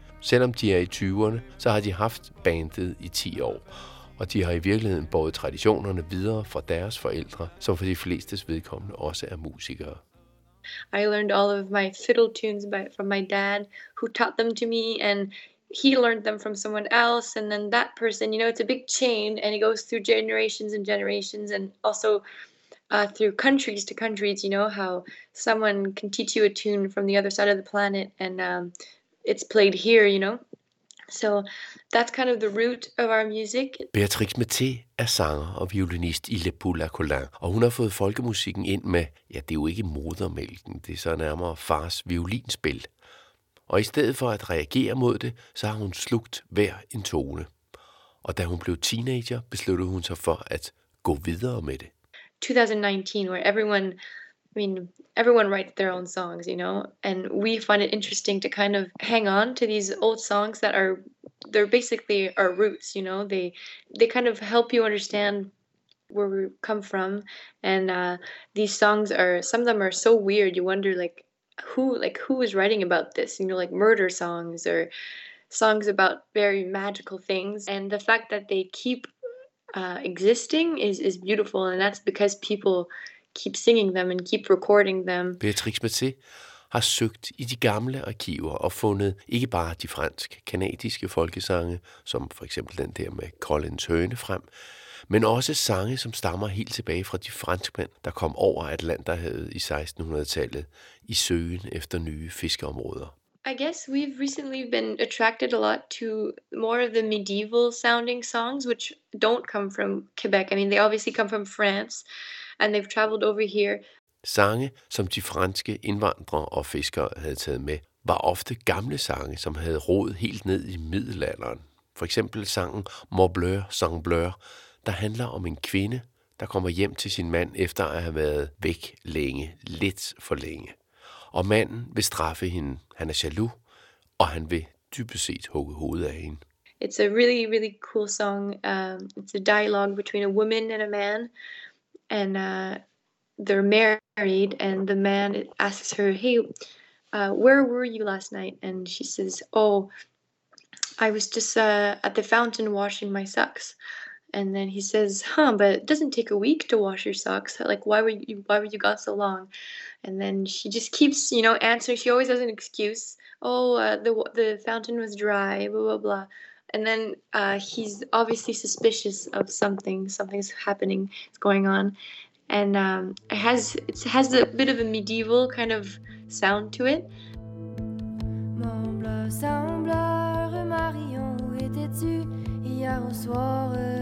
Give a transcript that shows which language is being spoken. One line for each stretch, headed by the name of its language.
Danish: Selvom de er i 20'erne, så har de haft bandet i 10 år, og de har i virkeligheden båret traditionerne videre fra deres forældre, som for de flestes vedkommende også er musikere.
English: I learned all of my fiddle tunes from my dad, who taught them to me, and he learned them from someone else, and then that person, you know, it's a big chain, and it goes through generations and generations, and also through countries to countries, you know, how someone can teach you a tune from the other side of the planet, and it's played here, you know. So that's kind of the root of our music.
Danish: Beatrix Mathé er sanger og violinist i Le Poulain, og hun har fået folkemusikken ind med, ja, det er jo ikke modermælken, det er så nærmere fars violinspil. Og i stedet for at reagere mod det, så har hun slugt hver en tone. Og da hun blev teenager, besluttede hun sig for at gå videre med det.
English: 2019, where everyone writes their own songs, you know, and we find it interesting to kind of hang on to these old songs that are, they're basically our roots, you know, they kind of help you understand where we come from, and these songs are, some of them are so weird, you wonder, who is writing about this, you know, like murder songs, or songs about very magical things, and the fact that they keep existing is beautiful, and that's because people keep singing them and keep recording them.
Danish: Beatrix Mathé har søgt i de gamle arkiver og fundet ikke bare de fransk-kanadiske folkesange, som for eksempel den der med Collins Høne frem, men også sange, som stammer helt tilbage fra de franskmænd, der kom over Atlanterhavet i 1600-tallet i søgen efter nye fiskeområder.
English: I guess we've recently been attracted a lot to more of the medieval sounding songs, which don't come from Quebec. I mean, they obviously come from France, and they've traveled over here.
Danish: Sange, som de franske indvandrere og fiskere havde taget med, var ofte gamle sange, som havde rod helt ned i middelalderen. For eksempel sangen Morbleu, Saint Bleu, der handler om en kvinde, der kommer hjem til sin mand efter at have været væk længe, lidt for længe. Og manden vil straffe hende. Han er jaloux, og han vil dybest set hugge hovedet af hende.
English: It's a really, really cool song. It's a dialogue between a woman and a man. And they're married, and the man asks her, hey, where were you last night? And she says, oh, I was just at the fountain washing my socks. And then he says, huh, but it doesn't take a week to wash your socks. Like, why were you gone so long? And then she just keeps, you know, answering. She always has an excuse. Oh, the fountain was dry, blah, blah, blah. And then he's obviously suspicious of something. Something's happening. It's going on. And it has a bit of a medieval kind of sound to it.
French: Mon bleu sembleur, Marion, où étais-tu hier au soir?